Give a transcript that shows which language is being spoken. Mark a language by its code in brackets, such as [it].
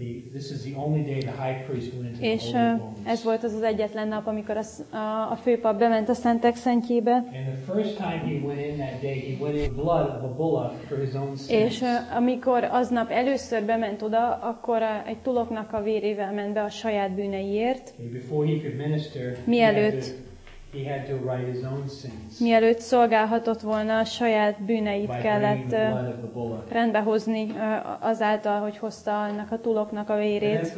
[en] This is the only day the high priest went into the holy of holies. [hu] Ez volt az egyetlen nap, amikor a főpap bement a Szentek Szentjébe. [en] And the first time he went in that day, he went in blood of a bullock for his own sins. [hu] És amikor aznap először bement oda, akkor egy tuloknak a vérével ment be a saját bűneiért. [en] Okay, before he could minister, he had to write his own sins. [hu] Mielőtt szolgálhatott volna, a saját bűneit kellett rendbehozni azáltal, hogy hozta annak a tuloknak a vérét.